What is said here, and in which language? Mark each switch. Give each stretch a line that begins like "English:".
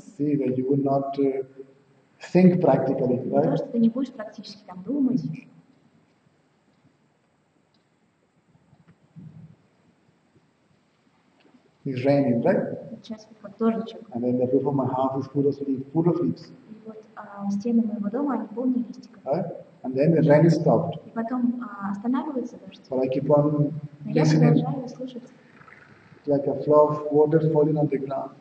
English: See that you would not think practically, right?
Russian: То, что ты не будешь практически там думать.
English: It's raining, right?
Russian: Сейчас вот дождичек.
English: And then the roof of my house is full of leaves. Full of leaves.
Russian: И вот стены моего дома они полны листиков.
English: And then the rain stopped.
Russian: И потом останавливается дождь.
English: But I keep on listening.
Russian: Я продолжаю слушать.
English: Like a flow of water falling on the ground.